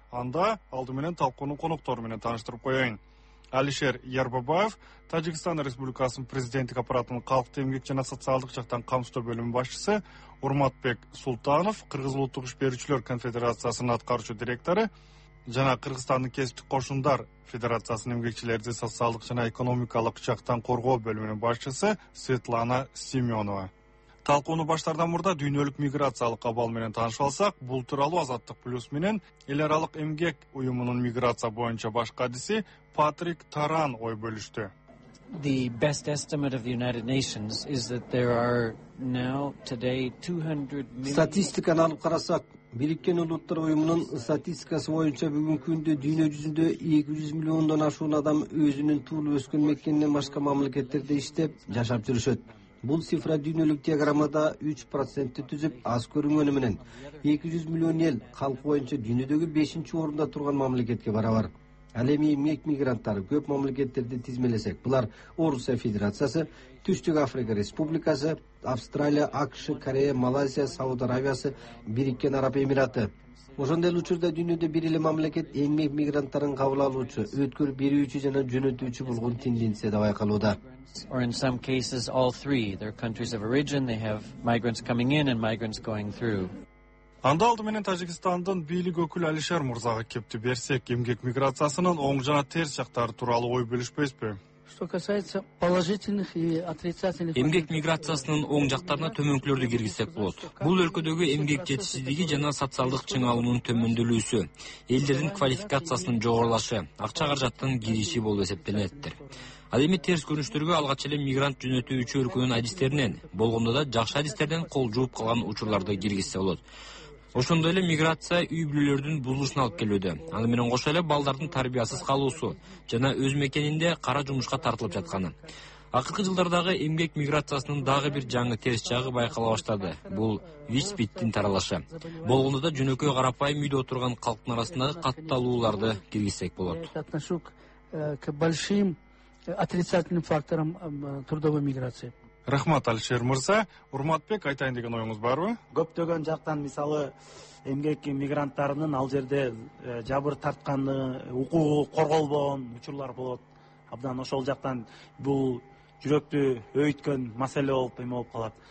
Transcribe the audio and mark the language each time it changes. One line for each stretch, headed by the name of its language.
Kyrgyz: Анда алды менен талкуунун коноктору менен тааныштырып коеюн. Алишер Ярбабаев, Таджикистан Республикасынын президенттик аппаратынын калкты эмгек жана социалдык жактан камсыздоо бөлүмү башчысы, Урматбек Султанов, Кыргыз улуттук иш берүүчүлөр конфедерациясынын аткаруучу директору жана Кыргызстандын кесиптик кошундар федерациясынын эмгекчилерди социалдык жана экономикалык жактан коргоо бөлүмүнүн башчысы Светлана Семенова. Талкууну баштардан мурда дүйнөлүк миграциялык абал менен таанышып алсак, бул тууралуу Азаттык Плюс менен эл аралык эмгек уюмунун миграция боюнча баш кадиси Патрик Таран ой бөлүштү.
English: The best estimate of the United Nations is that there are now today 200 million.
Kyrgyz: Статистиканы алып карасак, Бириккен Улуттар Уюмунун статистикасы боюнча бүгүнкү күндө дүйнө жүзүндө 200 миллиондон ашуун адам өзүнүн туулуп өскөн мекенинен башка мамлекеттерде иштеп, жашап жүрүшөт. Бул цифра дүйнөлүк диаграммада 3% түзүп, аз көрүнгөнү менен 200 миллион эл калкы боюнча дүйнөдөгү 5-чи орунда турган мамлекетке барабар. Ал эми эмгек мигранттары көп мамлекеттерди тизмелесек, булар Орусия Федерациясы, Түштүк Африка Республикасы, Австралия, АКШ, Корея, Малайзия, Сауд Аравиясы, Бириккен Араб Эмираты. Ошондой эле учурда дүйнөдө бир эле мамлекет эмгек мигранттарын кабыл алуучу, өткөрүп берүүчү жана жөнөтүүчү болгон тенденция деп айкалууда.
English: Or in some cases all three, their countries of origin, they have migrants coming in and migrants going through.
Kyrgyz: Анда алды менен Тажикстандын бийлик өкүлү Алишер Мурзага кепти берсек, эмгек миграциясынын оң жана терс жактары тууралуу ой бөлүшпөйсүзбү?
Russian: Что касается положительных и отрицательных.
Kyrgyz: Эмгек миграциясынын оң жактарына төмөнкүлөрдү киргизсек болот. Бул өлкөдөгү эмгек жетишсиздиги жана социалдык чыңалуунун төмөндөлүүсү, элдердин квалификациясынын жогорулашы, акча каражаттын кириши болуп эсептелинеттир. Ал эми терс көрүнүштөргө алгач эле мигрант жөнөтүүчү өлкөнүн адистеринен, болгондо да жакшы адистерден кол жууп калган учурларды киргизсе болот. Ошондой эле миграция үй бүлөлөрдүн бузулушуна алып келүүдө. Аны менен кошо эле балдардын тарбиясыз калуусу жана өз мекенинде кара жумушка тартылып жатканы. Акыркы жылдардагы эмгек миграциясынын дагы бир жаңы терс жагы байкала баштады. Бул виспиттин таралышы. Болгондо да жөнөкөй карапайым үйдө отурган калктын арасындагы катталууларды киргизсек болот.
Russian: К большим отрицательным факторам трудовой миграции.
Kyrgyz: Рахмат, Алишер Мырза. Урматбек, айтайын деген оюңуз барбы? Көптөгөн жактан мисалы эмгек мигранттарынын ал жерде жабыр тартканы, укугу корголбогон учурлар болот. Абдан ошол жактан бул жүрөктү өйүткөн маселе болуп эме болуп калат.